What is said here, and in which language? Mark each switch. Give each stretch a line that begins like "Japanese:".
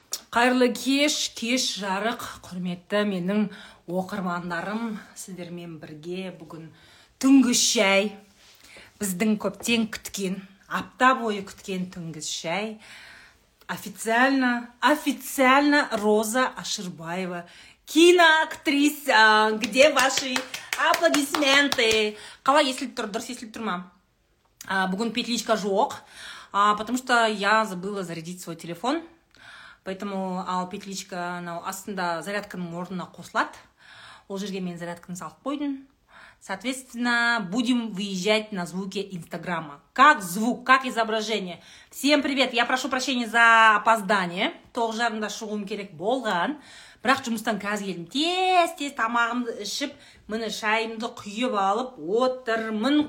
Kazakh: Қайырлы кеш, кеш жарық, құрметті менің оқырмандарым, сіздермен бірге бүгін түнгі шай, біздің көптен күткен, апта бойы күткен түнгі шай, официально Роза Аширбаева, киноактриса,
Russian: где ваши аплодисменты?
Kazakh: Қалай естіліп тұр, дұрыс естіліп тұр ма? Бүгін петличка жоқ,
Russian: потому что я забыла зарядить свой телефон. Поэтому
Kazakh: ал петличка анау астында зарядканың орнына қосылады. Ол жерге мен зарядканы салып қойдым.
Russian: Соответственно, будем выезжать на звуке Инстаграма. Как звук, как изображение. Всем привет! Я прошу прощения за опоздание.
Kazakh: Тоғыз жарымда шығуым керек болған. Бірақ жұмыстан қазір келдім. Тез-тез тамағымды ішіп, міне шайымды құйып алып отырмын.